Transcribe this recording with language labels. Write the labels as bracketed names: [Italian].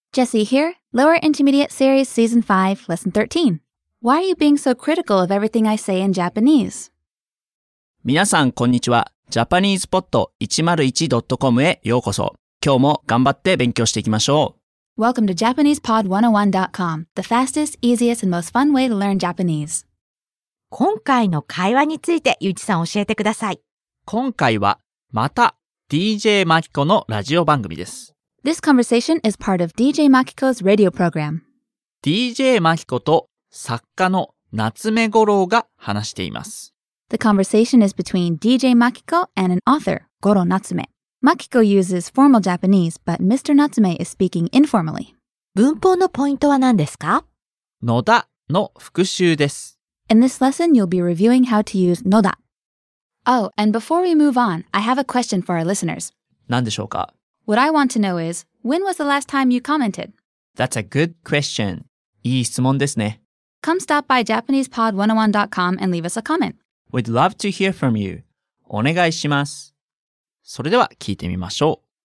[English] Jesse here, Lower Intermediate Series Season 5, Lesson 13. Why are you being so critical of everything I say in Japanese? [Japanese] 皆さん、こんにちは。 JapanesePod101.com へようこそ。今日も頑張って勉強していきましょう。 [English] Welcome to JapanesePod101.com, the fastest, easiest, and most fun way to learn Japanese. [Japanese] 今回の会話について、ゆういちさん教えてください。今回は、また、DJ マキコのラジオ番組です。 [English] This conversation is part of DJ Makiko's radio program. [Japanese] DJ Makiko と作家の夏目五郎が話しています。 [English] The conversation is between DJ Makiko and an author, Goro Natsume. Makiko uses formal Japanese, but Mr. Natsume is speaking informally. [Japanese] 文法のポイントは何ですか？野田の復習です。 [English] In this lesson, you'll be reviewing how to use 野田。 Oh, and before we move on, I have a question for our listeners. [Japanese] 何でしょうか？ [English] What I want to know is, when was the last time you commented? That's a good question. [Japanese] いい質問ですね。 [English] Come stop by JapanesePod101.com and leave us a comment. We'd love to hear from you. [Japanese] お願いします。それでは聞いてみましょう。